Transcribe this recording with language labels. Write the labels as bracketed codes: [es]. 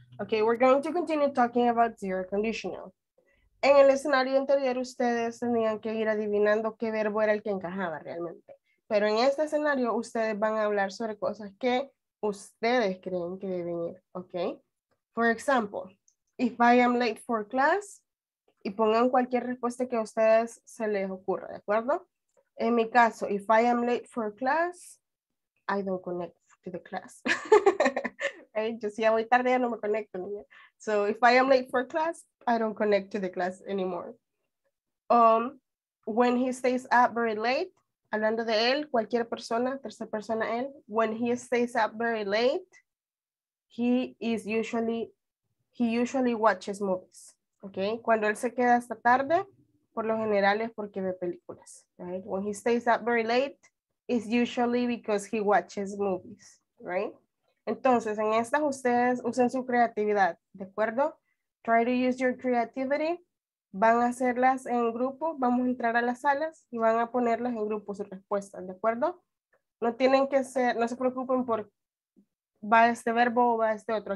[en] Okay, we're going to continue talking about zero conditional. [es] En el escenario anterior, ustedes tenían que ir adivinando qué verbo era el que encajaba realmente. Pero en este escenario, ustedes van a hablar sobre cosas que ustedes creen que deben ir, ¿ok? [en] For example, if I am late for class, [es] y pongan cualquier respuesta que a ustedes se les ocurra, ¿de acuerdo? En mi caso, [en] if I am late for class, I don't connect to the class. Okay, [es] yo si ya voy tarde ya no me conecto. Niña. [en] So if I am late for class, I don't connect to the class anymore. When he stays up very late, [es] hablando de él, cualquier persona, tercera persona él, [en] when he stays up very late, he usually watches movies. [es] Okay, cuando él se queda hasta tarde, por lo general es porque ve películas. [en] Right? When he stays up very late, it's usually because he watches movies. Right? [es] Entonces, en estas ustedes usen su creatividad, ¿de acuerdo? [en] Try to use your creativity. [es] Van a hacerlas en grupo, vamos a entrar a las salas y van a ponerlas en grupo sus respuestas, ¿de acuerdo? No tienen que ser, no se preocupen por va este verbo o va este otro.